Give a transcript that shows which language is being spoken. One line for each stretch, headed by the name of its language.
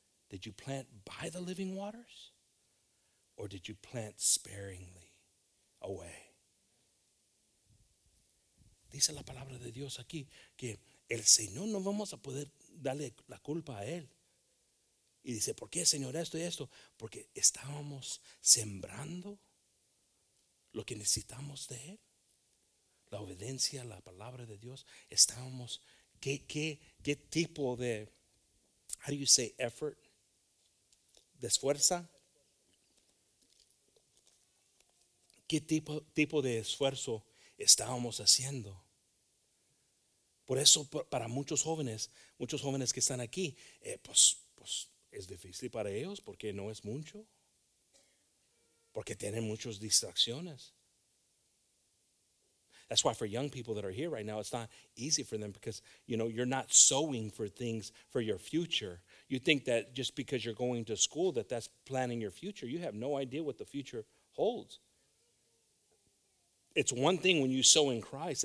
English: Did you plant by the living waters? Or did you plant sparingly away?
Spanish: Dice la palabra de Dios aquí, que el Señor no vamos a poder darle la culpa a él. Y dice, ¿por qué, Señor, esto y esto? Porque estábamos sembrando lo que necesitamos de él, la obediencia, la palabra de Dios. Estábamos ¿Qué tipo de,
English: how do you say, effort?
Spanish: ¿De esfuerza? ¿Qué tipo de esfuerzo estábamos haciendo? Por eso, para muchos jóvenes que están aquí, pues es difícil para ellos porque no es mucho. Porque tienen muchas distracciones.
English: That's why for young people that are here right now, it's not easy for them because, you know, you're not sowing for things for your future. You think that just because you're going to school that that's planning your future. You have no idea what the future holds. It's one thing when you sow in Christ.